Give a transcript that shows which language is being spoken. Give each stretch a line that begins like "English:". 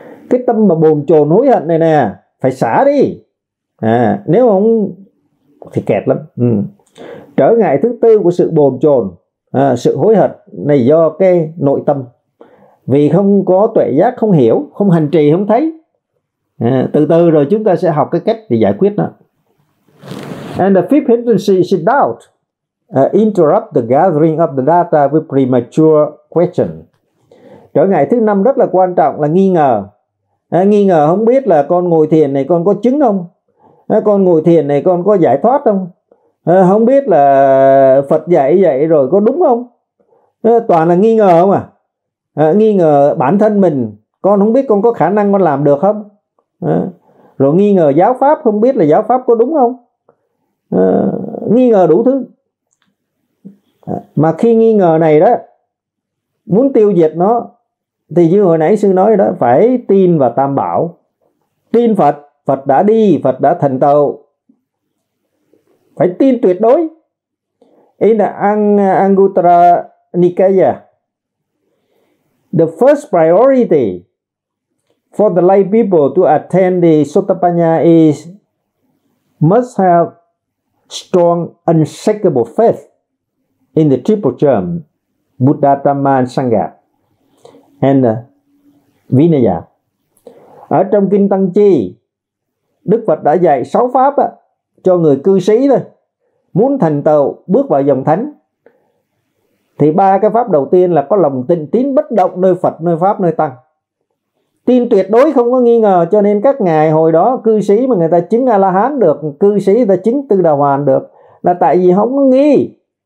Vietnamese: Cái tâm mà bồn chồn hối hận này nè, phải xả đi. Nếu ông thì kẹt lắm. Trở ngại thứ tư của sự bồn chồn, sự hối hận này do cái nội tâm. Vì không có tuệ giác, không hiểu, không hành trì, không thấy. Từ từ rồi chúng ta sẽ học cái cách để giải quyết nó.
English: And the fifth hindrance is doubt. Interrupt the gathering of the data with premature question.
Vietnamese: Trở ngại thứ năm rất là quan trọng là nghi ngờ. Nghi ngờ không biết là con ngồi thiền này con có chứng không? Con ngồi thiền này con có giải thoát không? Không biết là Phật dạy vậy rồi có đúng không? Toàn là nghi ngờ không à? Nghi ngờ bản thân mình, con không biết con có khả năng con làm được không? Rồi nghi ngờ giáo pháp, không biết là giáo pháp có đúng không? Nghi ngờ đủ thứ. Mà khi nghi ngờ này đó, muốn tiêu diệt nó thì như hồi nãy sư nói đó, phải tin vào Tam Bảo. Tin Phật, Phật đã đi, Phật đã thành tựu. Phải tin tuyệt đối. Ý là
English: Anguttara Nikaya, the first priority for the lay people to attain the Sotapanna is must have strong, unshakable faith in the triple germ, Buddha, Dhamma, Sangha, and Vinaya.
Vietnamese: Ở trong Kinh Tăng Chi, Đức Phật đã dạy 6 pháp cho người cư sĩ thôi. Muốn thành tựu bước vào dòng thánh thì ba cái pháp đầu tiên là có lòng tin tín bất động nơi Phật, nơi pháp, nơi tăng. Tin tuyệt đối không có nghi ngờ, cho nên các ngài hồi đó cư sĩ mà người ta chứng A La Hán được, cư sĩ người ta chứng Tư Đà Hoàn được là tại vì không có nghi.